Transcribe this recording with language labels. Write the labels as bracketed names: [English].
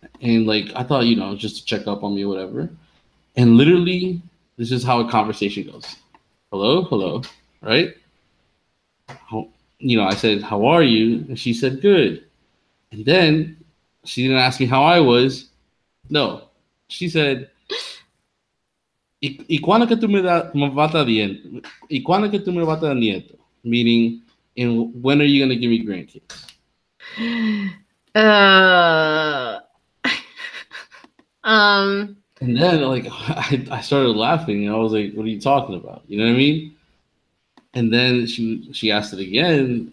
[English] And like, I thought, you know, just to check up on me or whatever. And literally, this is how a conversation goes. Hello, hello, right? You know, I said, how are you? And she said, good. And then she didn't ask me how I was. No, she said, [Spanish] ¿Y cuándo que tú me vas a dar nieto? [English] Meaning, and when are you going to give me grandkids? And then, like, I started laughing. And I was like, what are you talking about? You know what I mean? And then she asked it again.